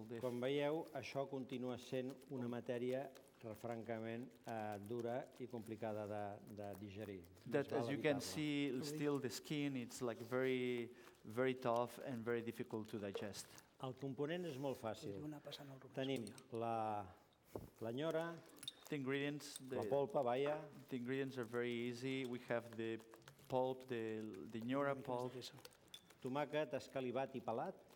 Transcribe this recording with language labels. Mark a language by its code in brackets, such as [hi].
[ca] Com veieu, això continua sent una matèria francament dura i complicada de digerir. [en] That, as you can see, still the skin, it's like very, very tough and very difficult to digest. [ca] El component és molt fàcil. Tenim la nyora, la polpa, vaja. [en] The ingredients are very easy. We have the pulp, the nyora pulp. [ca] Tomàquet escalivat i pelat.